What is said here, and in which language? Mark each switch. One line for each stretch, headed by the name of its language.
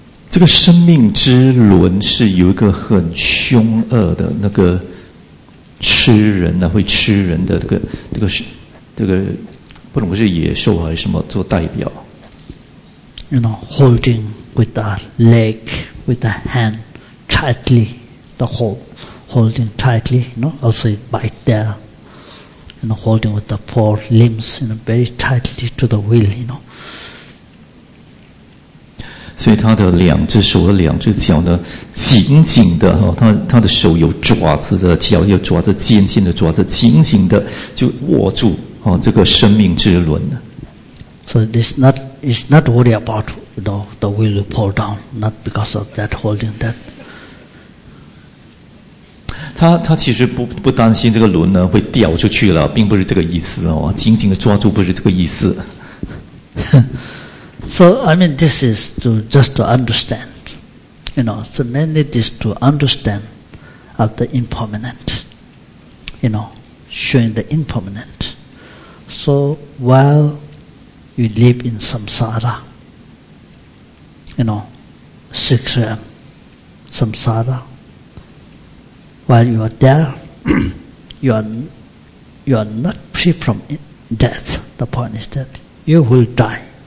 Chinese: 这个生命之轮是有一个很凶恶的那个吃人啊，会吃人的这个不能是野兽还是什么做代表。
English: You know, holding with the leg, with the hand, tightly, the hold, holding tightly, you know, also bite there. You know, holding with the four limbs, you know, very tightly to the wheel, you know.
Chinese: 所以他的两只手和两只脚呢，紧紧的哈，他的手有爪子的，脚有爪子，尖尖的爪子，紧紧的就握住哈这个生命之轮呢。
English: So this not is not worry about you know the wheel pull down, not because of that holding that.
Chinese: 他其实不担心这个轮呢会掉出去了，并不是这个意思哦，紧紧的抓住不是这个意思。
English: So, I mean, this is to just to understand, you know, so mainly this to understand of the impermanent, you know, showing the impermanent. So, while you live in samsara, you know, six realm, samsara, while you are there, you are not free from death, the point is that you will die.